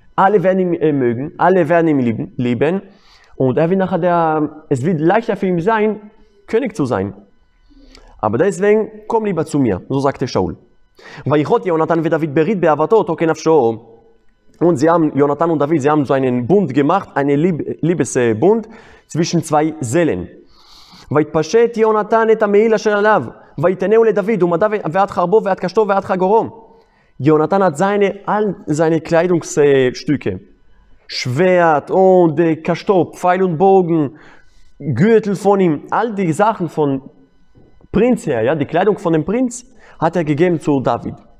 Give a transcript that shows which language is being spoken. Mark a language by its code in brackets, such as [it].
[de] Alle werden ihn mögen, alle werden ihn lieben. Und er wird nachher es wird leichter für ihn sein, König zu sein. Aber deswegen, komm lieber zu mir, so sagte Shaul. Und sie haben, Jonathan und David, sie haben so einen Bund gemacht, einen Liebesbund, zwischen zwei Seelen. [he] ויתפשט יונתן את המעיל אשר עליו, ויתנהו לדוד, ומדיו ועד חרבו ועד קשתו ועד חגורו. [de] יונתן hat seine Kleidungsstücke, Schwert und Kasto, Pfeil und Bogen, Gürtel von ihm, all die Sachen von Prinz her, ja, die Kleidung von dem Prinz, hat gegeben zu David.